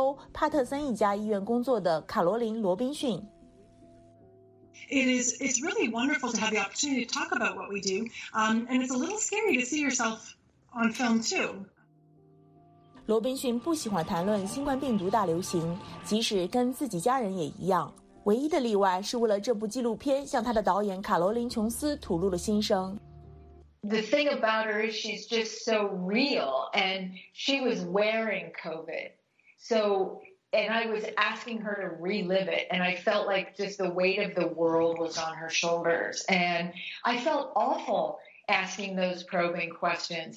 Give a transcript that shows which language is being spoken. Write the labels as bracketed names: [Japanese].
[Chinese] 电影主要介绍美国各地15名急诊室的护士，但导演凯瑟琳·琼斯希望找一名可以为所有急诊医疗工作者代言的护士，而他选择了在新泽西州帕特森一家医院工作的卡罗琳·罗宾逊。 [English] It's really wonderful to have the opportunity to talk about what we do, and it's a little scary to see yourself on film too. [Chinese] 罗宾逊不喜欢谈论新冠病毒大流行，即使跟自己家人也一样。唯一的例外是为了这部纪录片向他的导演卡罗琳·琼斯吐露了心声。 [English] The thing about her is she's just so real, and she was wearing COVID. So, and I was asking her to relive it, and I felt like just the weight of the world was on her shoulders. And I felt awful asking those probing questions.